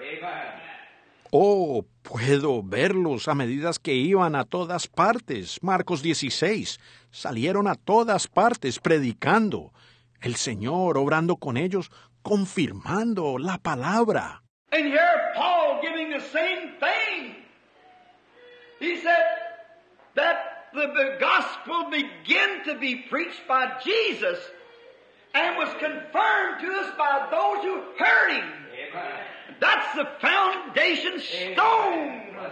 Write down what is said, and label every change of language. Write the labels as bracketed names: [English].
[English] Amen. [Spanish] Oh, puedo verlos a medida que iban a todas partes. Marcos 16, salieron a todas partes predicando. El Señor obrando con ellos, confirmando la palabra. [English] And here Paul giving the same thing. He said that the gospel began to be preached by Jesus and was confirmed to us by those who heard him. Amen. That's the foundation stone.